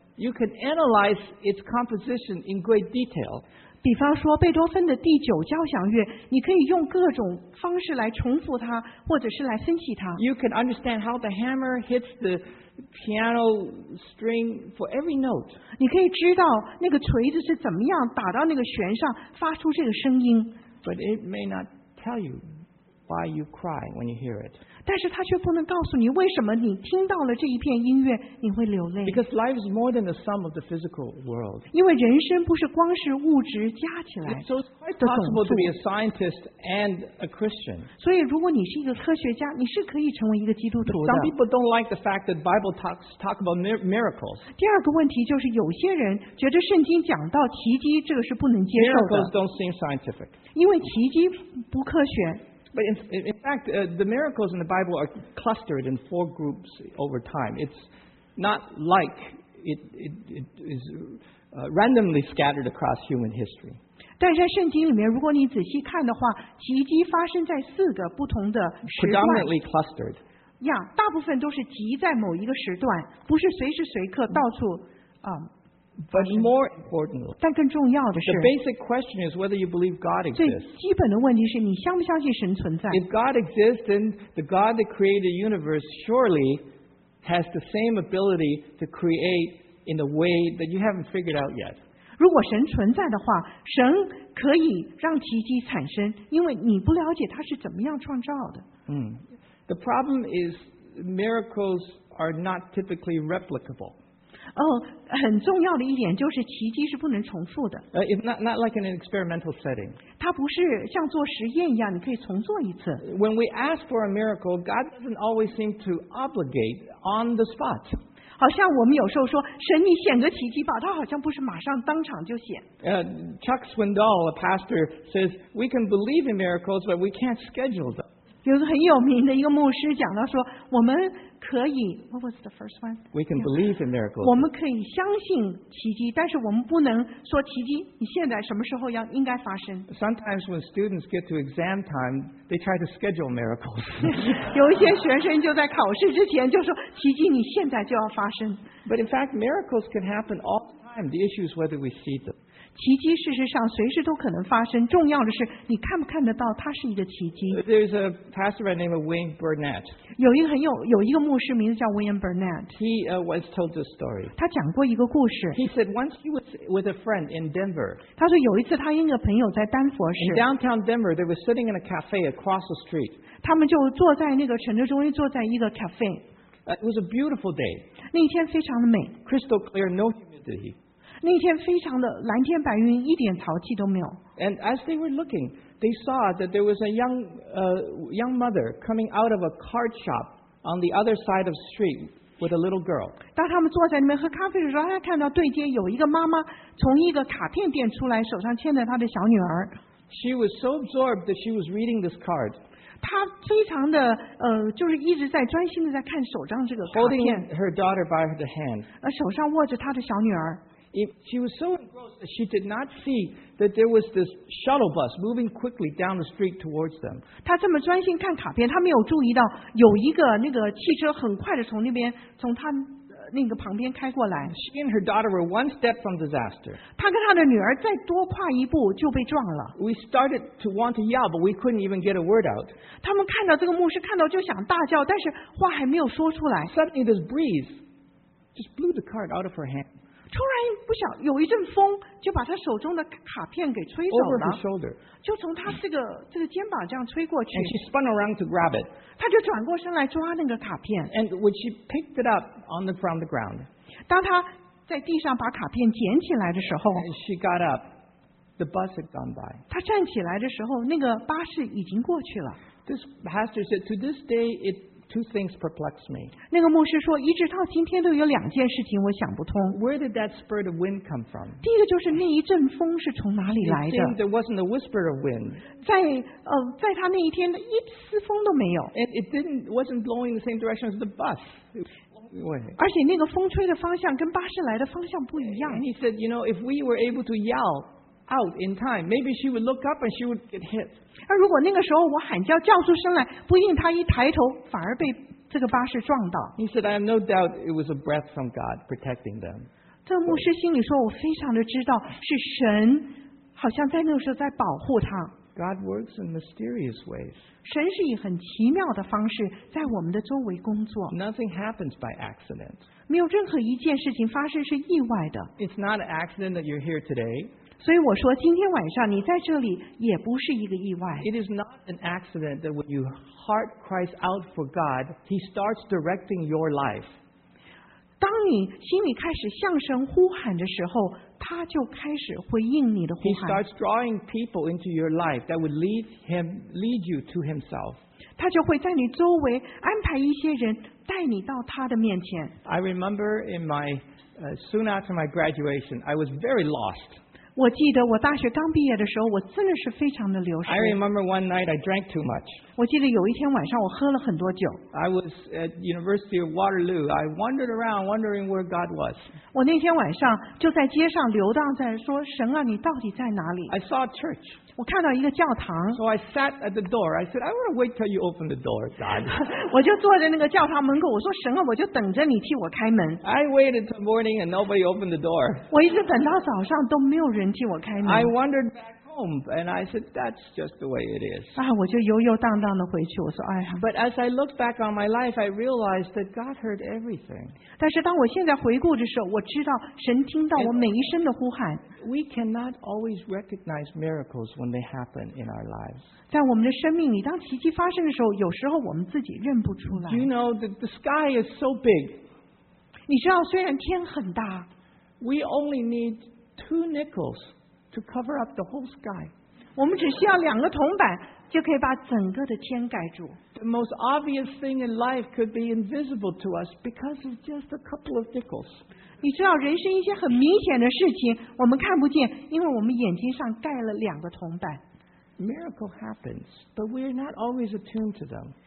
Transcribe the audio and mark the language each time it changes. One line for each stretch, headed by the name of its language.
English: You can analyze its composition in great detail.
Chinese: 比方说贝多芬的第九交响乐，你可以用各种方式来重复它，或者是来分析它。
English: You can understand how the hammer hits the piano string for every note.
Chinese: 你可以知道那个锤子是怎么样打到那个弦上发出这个声音。
English: But it may not tell you. Why you cry when you hear it?
Chinese: 但是他却不能告诉你为什么你听到了这一片音乐你会流泪。
English: Because life is more than the sum of the physical world.
Chinese: 因为人生不是光是物质加起来的总数。
English: So it's quite possible to be a scientist and a Christian.
Chinese: 所以如果你是一个科学家，你是可以成为一个基督徒的。
English: Some people don't like the fact that Bible talk about miracles.
Chinese: 第二个问题就是有些人觉得圣经讲到奇迹这个是不能接受的。
English: Miracles don't seem scientific.
Chinese: 因为奇迹不科学。
English: But in fact, the miracles in the Bible are clustered in four groups over time. It's not like it is randomly scattered across human history.
Chinese: 但在圣经里面，如果你仔细看的话，奇迹发生在四个不同的时段。
English: Predominantly clustered.
Chinese: Yeah, 大部分都是集在某一个时段，不是随时随刻到处啊。
English: But more importantly,
Chinese: 但更重要的是
English: the basic question is whether you believe God exists.
Chinese: 最基本的问题是你相不相信神存在。
English: If God exists, then the God that created the universe surely has the same ability to create in a way that you haven't figured out yet.
Chinese: 如果神存在的话，神可以让奇迹产生，因为你不了解他是怎么样创造的。
English: The problem is miracles are not typically replicable.
Chinese: 很重要的一点就是奇迹是不能重复的。
English: Not like in an experimental setting.
Chinese: 它不是像做实验一样，你可以重做一次。
English: When we ask for a miracle, God doesn't always seem to obligate on the spot.
Chinese: 好像我们有时候说，神你显个奇迹吧，他好像不是马上当场就显。
English: Chuck Swindoll, a pastor, says we can believe in miracles, but we can't schedule them.
Chinese: 有个很有名的一个牧师讲到说，我们可以 ，
English: What was the first one? We can believe in miracles.
Chinese: 我们可以相信奇迹，但是我们不能说奇迹你现在什么时候要应该发生。
English: Sometimes when students get to exam time, they try to schedule miracles.
Chinese: 有一些学生就在考试之前就说，奇迹你现在就要发生。
English: But in fact, miracles can happen all the time. The issue is whether we see them.
Chinese: 奇迹事实上随时都可能发生，重要的是你看不看得到它是一个奇迹。
English: There's a pastor by the name of Wayne Burnett.
Chinese: 有一个牧师名字叫 William Burnett.
English: He once told this story.
Chinese: 他讲过一个故事。
English: He said once he was with a friend in Denver.
Chinese: 他说有一次他跟一个朋友在丹佛市。
English: In downtown Denver, they were sitting in a cafe across the street.
Chinese: 他们就坐在那个城市中心，坐在一个 cafe.
English: It was a beautiful day.
Chinese: 那天非常的美。
English: Crystal clear, no humidity.
Chinese: 那天非常的蓝天白云，一点潮气都没有。
English: And as they were looking, they saw that there was a young mother coming out of a card shop on the other side of the street with a little girl.
Chinese: 当他们坐在里面喝咖啡的时候，他看到对街有一个妈妈从一个卡片店出来，手上牵着她的小女儿。
English: She was so absorbed that she was reading this card.
Chinese: 她非常的就是一直在专心的在看手上这个卡片。
English: Holding her daughter by the hand.
Chinese: 手上握着她的小女儿。
English: She was so engrossed that she did not see that there was this shuttle bus moving quickly down the street towards them.
Chinese: 她这么专心看卡片，她没有注意到有一个那个汽车很快的从那边从她那个旁边开过来。
English: She and her daughter were one step from disaster.
Chinese: 她跟她的女儿再多跨一步就被撞了。
English: We started to want to yell, but we couldn't even get a word out.
Chinese: 他们看到这个牧师看到就想大叫，但是话还没有说出来。
English: Suddenly, this breeze just blew the card out of her hand.
Chinese: 突然不想有一阵风就把他手中的卡片给吹走了
English: Over her shoulder.
Chinese: 就从他这个肩膀这样吹过去
English: And she spun around to grab it.
Chinese: 他就转过身来抓那个卡片
English: And when she picked it up on the, from the ground.
Chinese: 当他在地上把卡片捡起来的时候
English: And she got up. The bus had gone by.
Chinese: 他站起来的时候那个巴士已经过去了
English: This pastor said, to this day, it... Two things perplex me.
Chinese: 那个牧师说，一直到今天都有两件事情我想不通。
English: Where did that spurt of wind come from?
Chinese: 第一个就是那一阵风是从哪里来的
English: ？It seemed there wasn't a whisper of wind.
Chinese: 在他那一天一丝风都没有。
English: It wasn't blowing the same direction as the bus.
Chinese: 而且那个风吹的方向跟巴士来的方向不一样。
English: And he said, you know, if we were able to yell. Out in time, maybe she would look up and she would get hit.
Chinese: 而如果那个时候我喊叫叫出声来，不一定她一抬头反而被这个巴士撞到。
English: He said, "I have no doubt it was a breath from God protecting them."
Chinese: 这牧师心里说，我非常的知道是神，好像在那个时候在保护他。
English: God works in mysterious ways.
Chinese: 神是以很奇妙的方式在我们的周围工作。
English: Nothing happens by accident.
Chinese: 没有任何一件事情发生是意外的。
English: It's not an accident that you're here today.
Chinese: 所以我说今天晚上你在这里也不是一个意外。
English: It is not an accident that when you heart cries out for God, He starts directing your life.
Chinese: 当你心里开始向神呼喊的时候，他就开始回应你的呼喊。
English: He starts drawing people into your life that would lead you to Himself.
Chinese: 他就会在你周围安排一些人带你到他的面前。
English: I remember in my, soon after my graduation, I was very lost.
Chinese: 我记得我大学刚毕业的时候，我真的是非常的流失。
English: I remember one night I drank too much.
Chinese: 我记得有一天晚上我喝了很多酒。
English: I was at University of Waterloo. I wandered around wondering where God was.
Chinese: 我那天晚上就在街上流荡，在说神啊，你到底在哪里
English: ？I saw a church.
Chinese: 我看到一个教堂。
English: So I sat at the door. I said, I want to wait till you open the door, God.
Chinese: 我就坐在那个教堂门口，我说神啊，我就等着你替我开门。
English: I waited till morning and nobody opened the door.
Chinese: 我一直等到早上都没有人。
English: I wandered back home, and I said, "That's just the way it is."
Chinese: 啊，我就悠悠荡荡的回去。我说，哎呀。
English: But as I look back on my life, I realized that God heard everything.
Chinese: 但是当我现在回顾的时候，我知道神听到我每一声的呼喊。
English: We cannot always recognize miracles when they happen in our lives.
Chinese: 在我们的生命里，当奇迹发生的时候，有时候我们自己认不出来。
English: You know, the sky is so big.
Chinese: 你知道，虽然天很大
English: ，we only need two nickels to cover up the whole sky。
Chinese: 我们只需要两个铜板就可以把整个的天盖住。
English: The most obvious thing in life could be invisible to us because of just a couple of nickels。
Chinese: 你知道，人生一些很明显的事情我们看不见，因为我们眼睛上盖了两个铜板。
English: Miracle happens, but we are not always attuned to them.